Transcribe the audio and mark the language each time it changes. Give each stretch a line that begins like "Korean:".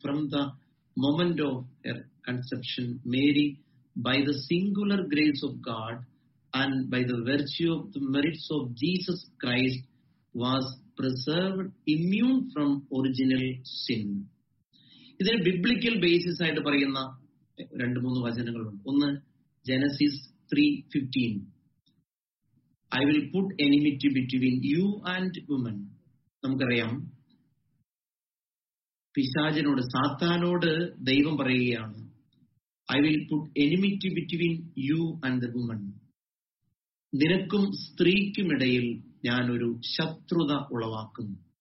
English: From the moment of her conception Mary by the singular grace of God and by the virtue of the merits of Jesus Christ was preserved immune from original sin.
Malayalam: ഇതിന് biblical basis ആയിട്ട് പറയുന്ന രണ്ട് മൂന്ന് വചനങ്ങളുണ്ട്.
English: ഒന്ന് Genesis 3:15, I will put enmity between you and woman.
Malayalam: നമുക്കറിയാം പിശാചിനോട്, സാത്താനോട് ദൈവം പറയുകയാണ്,
English: I will put enmity between you and the woman.
Malayalam: നിനക്കും സ്ത്രീക്കും ഇടയിൽ ഞാൻ ഒരു ശത്രുത ഉളവാക്കുന്നു.